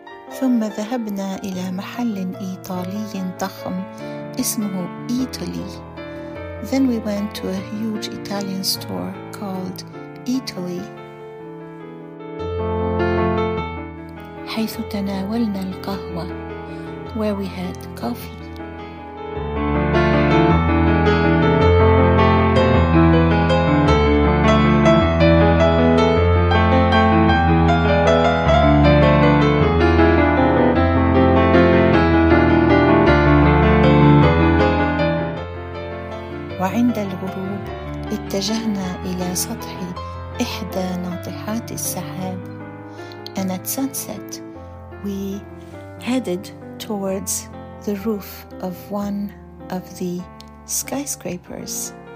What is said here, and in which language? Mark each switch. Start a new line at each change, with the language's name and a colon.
Arabic: ثم ذهبنا إلى محل إيطالي ضخم اسمه إيطالي.
English: Then we went to a huge Italian store called Italy.
Arabic: حيث تناولنا القهوة.
English: Where we had coffee.
Arabic: وعند الغروب اتجهنا إلى سطح إحدى ناطحات السحاب.
English: And at sunset, we headed towards the roof of one of the skyscrapers.